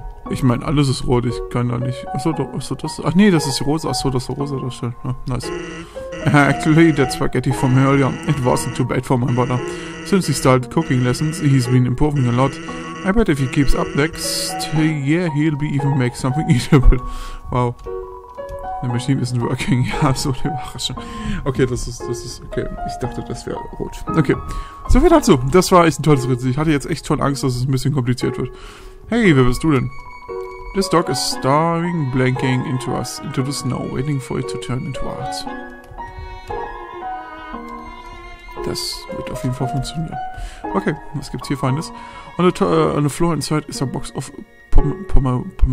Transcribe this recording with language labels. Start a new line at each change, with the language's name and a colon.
German: Ich meine, alles ist rot, ich kann da nicht... Achso, das... Ach nee, das ist rosa. Achso, das ist rosa, das ist ja, nice.
English: Actually, that spaghetti from earlier. It wasn't too bad for my brother. Since he started cooking lessons, he's been improving a lot. I bet if he keeps up next year, he'll be even make something eatable. Wow. The machine isn't working.
German: Ja, so eine Überraschung. Okay, das ist okay. Ich dachte, das wäre rot. Okay. Soviel dazu. Das war echt ein tolles Rätsel. Ich hatte jetzt echt schon Angst, dass es ein bisschen kompliziert wird. Hey, wer bist du denn?
English: This dog is staring, blinking into us, into the snow, waiting for it to turn into art.
German: Das wird auf jeden Fall funktionieren. Okay, was gibt's hier Feines?
English: On the floor inside is a box of Pomeraisins.